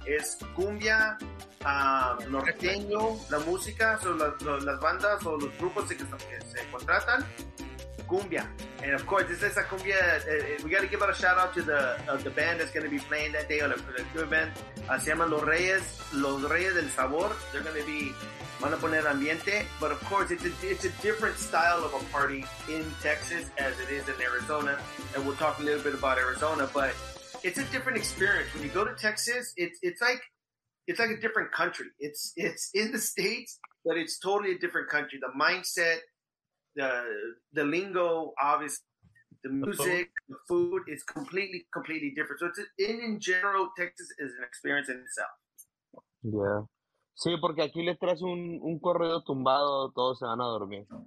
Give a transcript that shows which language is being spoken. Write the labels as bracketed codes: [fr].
[es] Es cumbia, norteño, la música, so las bandas o los grupos que se contratan. [en] cumbia. And of course, this is a cumbia. We got to give a shout out to the band that's going to be playing that day, or the crew band. [es] Se llama Los Reyes del Sabor. [en] They're going to be, [es] van a poner ambiente. [en] But of course, it's a different style of a party in Texas as it is in Arizona. And we'll talk a little bit about Arizona, but it's a different experience. When you go to Texas, it's like a different country. It's in the States, but it's totally a different country. The mindset, the lingo, obviously, the music, the food is completely different. So in general, Texas is an experience in itself. Yeah. [es] Sí, porque aquí les traes un corrido tumbado, todos se van a dormir.